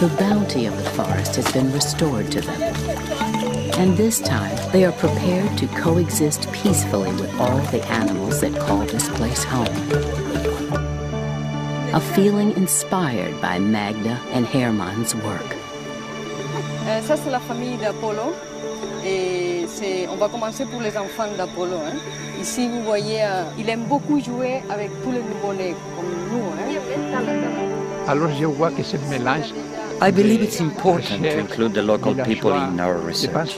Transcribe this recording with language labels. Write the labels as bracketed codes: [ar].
[en] The bounty of the forest has been restored to them. And this time, they are prepared to coexist peacefully with all the animals that call this place home. A feeling inspired by Magda and Hermann's work. [fr] Ça c'est la famille d'Apollo. Et c'est, on va commencer pour les enfants d'Apollo. Hein. Ici, vous voyez, il aime beaucoup jouer avec tous les nouveaux-nés, comme nous. Hein. Alors je vois que c'est mélange. [en] I believe it's important to include the local people in our research.